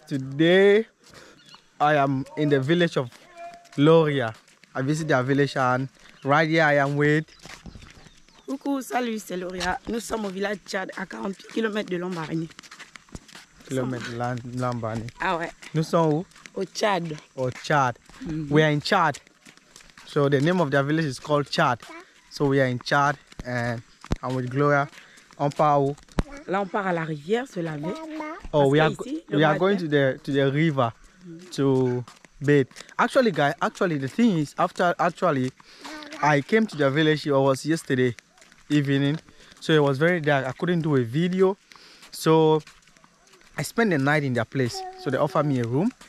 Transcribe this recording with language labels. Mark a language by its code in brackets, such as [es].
[en] Today I am in the village of Loria. I visit their village and right here I am with. [fr] Coucou, salut, c'est Loria. Nous sommes au village Tchad à 40 km de Lombani. Kilomètres de Lombani. Ah ouais. Nous sommes où? Au Tchad. Au Tchad. [en] Mm-hmm. We are in Tchad. So the name of their village is called Tchad. So we are in Tchad and I'm with Gloria. [fr] On part où? Là, on part à la rivière se laver. [en] Oh, we are going to the river to bathe. Actually, the thing is, actually, I came to the village. It was yesterday evening, so it was very dark. I couldn't do a video, so I spent the night in their place. So they offered me a room.